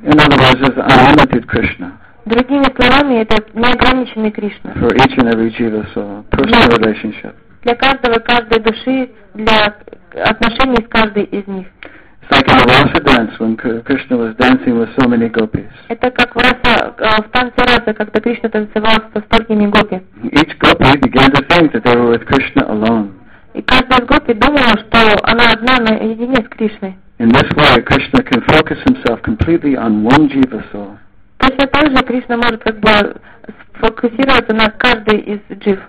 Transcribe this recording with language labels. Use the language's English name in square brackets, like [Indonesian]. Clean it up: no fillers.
[English] In other words, it's unlimited Krishna. [Russian] Другими словами, это неограниченный Кришна. [English] For each and every jiva soul, personal relationship. [Russian] Для каждого, каждой души, для отношений с каждой из них. [English] It's like in the Rasa dance when Krishna was dancing with so many gopis. [Russian] Это как в танце Раса, когда Кришна танцевал со столькими гопи. [English] Each gopi began to think that they were with Krishna alone. [Russian] И каждая гопи думала, что она одна наедине с Кришной. [English] In this way, Krishna can focus himself completely on one jiva soul. [Russian] Точно так же Кришна может как бы сфокусироваться на каждой из джив.